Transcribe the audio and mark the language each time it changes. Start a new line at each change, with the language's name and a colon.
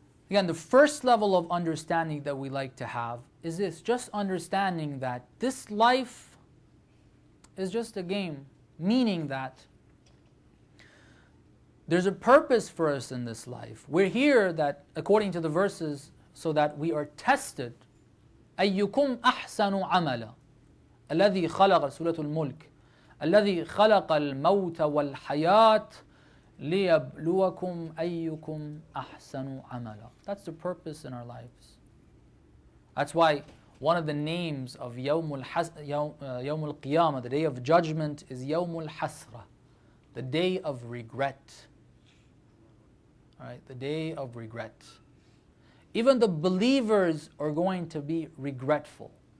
English: Again, the first level of understanding that we like to have is this, just understanding that this life is just a game, meaning that there's a purpose for us in this life. We're here that, according to the verses, so that we are tested.
Arabic: أَيُّكُمْ أَحْسَنُ عَمَلًا الَّذِي خَلَقَ سُورَةُ الْمُلْكِ الذي خلق الموت والحياة ليبلوكم أيكم أحسن عملا.
English: That's the purpose in our lives. That's why one of the names of يوم القيامة, the day of judgment, is يوم الحسرة, the day of regret. Right, the day of regret. Even the believers are going to be regretful.